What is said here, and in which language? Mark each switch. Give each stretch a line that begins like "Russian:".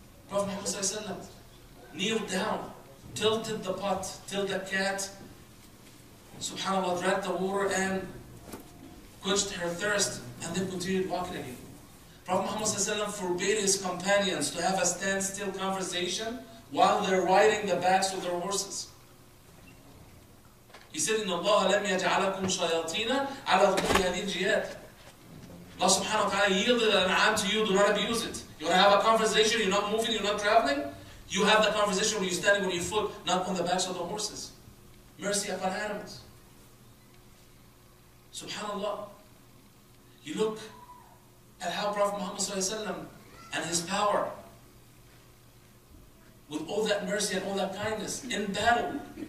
English: Prophet Muhammad kneeled down, tilted the pot till the cat, subhanAllah, drank the water and quenched her thirst, and then continued walking again. Prophet Muhammad forbade his companions to have a standstill conversation while they're riding the backs of their horses. He said,
Arabic: إِنَّ اللَّهَ لَمْ يَجْعَلَكُمْ شَيَاطِينَ عَلَى ظُهُورِ هَذِهِ الْجِيَادِ.
English: Allah subhanahu wa ta'ala yielded an arm to you, do not abuse it. You want to have a conversation, you're not moving, you're not traveling. You have the conversation when you're standing on your foot, not on the backs of the horses. Mercy upon animals. SubhanAllah. You look at how Prophet Muhammad sallallahu alayhi wa sallam and his power, with all that mercy and all that kindness, in battle.